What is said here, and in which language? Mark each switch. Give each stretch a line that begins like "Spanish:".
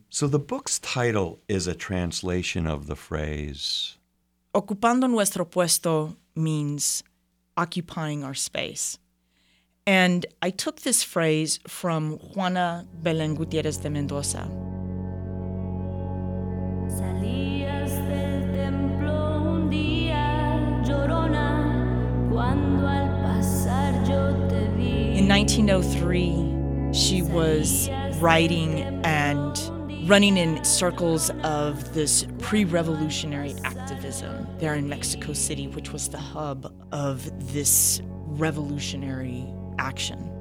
English: So the book's title is a translation of the phrase...
Spanish: Ocupando nuestro puesto
English: means occupying our space. And I took this phrase from Juana Belén Gutiérrez de Mendoza.
Spanish: Salías del templo un día, llorona, cuando al pasar yo te vi.
English: In 1903, she was writing and running in circles of this pre-revolutionary activism there in Mexico City, which was the hub of this revolutionary action.